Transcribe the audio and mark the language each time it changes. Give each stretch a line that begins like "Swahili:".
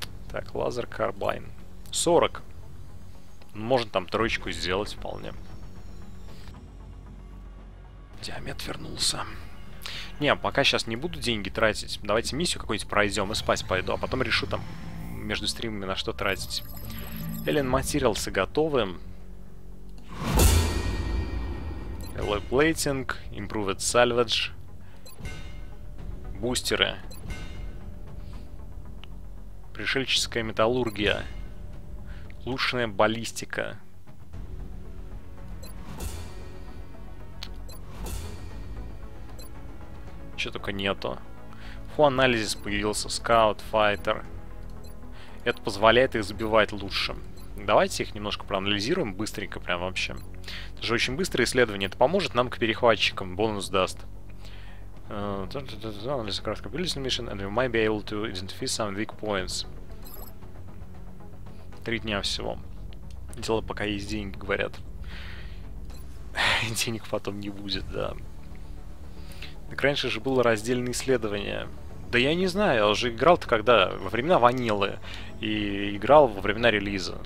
Russian: Так, лазер карбайн. 40. Можно там троечку сделать вполне. Диамет вернулся. Не, пока сейчас не буду деньги тратить. Давайте миссию какую-нибудь пройдем и спать пойду. А потом решу там между стримами на что тратить. Alien Materials готовы. Alloy Plating. Improved Salvage. Бустеры. Пришельческая металлургия. Лучшая баллистика. Чё только нету. Фу, анализис появился. Скаут, файтер. Это позволяет их забивать лучше. Давайте их немножко проанализируем быстренько прям вообще. Это же очень быстрое исследование. Это поможет нам к перехватчикам. Бонус даст. Анализ краткой билдинг миссии,
English: and we might be able to identify some weak points.
Russian: 3 дня всего. Дело пока есть деньги, говорят. Денег потом не будет, да. Так раньше же было раздельное исследование. Да я не знаю, я уже играл-то когда? Во времена ванилы. И играл во времена релиза.